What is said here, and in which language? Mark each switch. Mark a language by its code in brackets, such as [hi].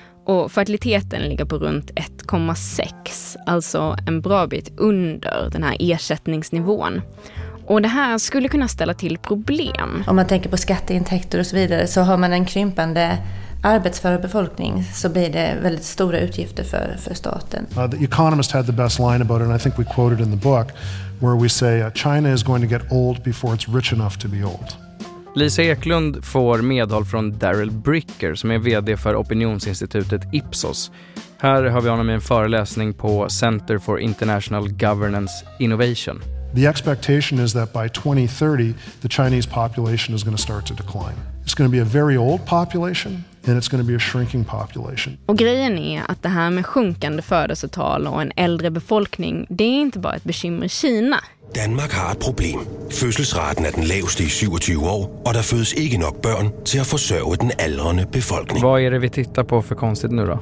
[sv] Och fertiliteten ligger på runt 1,6. Alltså en bra bit under den här ersättningsnivån. Och det här skulle kunna ställa till problem. Om man tänker på skatteintäkter och så vidare, så har man en krympande arbetsför befolkning, så blir det väldigt stora utgifter för staten. [en] The Economist had the best line about it, and I think we quoted in the book, where we say China is going to get old before it's rich enough to be old. [sv] Lisa Eklund får medhåll från Daryl Bricker, som är vd för opinionsinstitutet Ipsos. Här har vi honom i en föreläsning på Center for International Governance Innovation. [en] The expectation is that by 2030 the Chinese population is going to start to decline. It's going to be a very old population and it's going to be a shrinking population. [sv] Och grejen är att det här med sjunkande födelsetal och en äldre befolkning, det är inte bara ett bekymmer i Kina. Danmark har ett problem. Födelseraten är den lägsta i 27 år och det föds inte nog barn till att försörja den äldre befolkningen. Vad är det vi tittar på för konstigt nu då?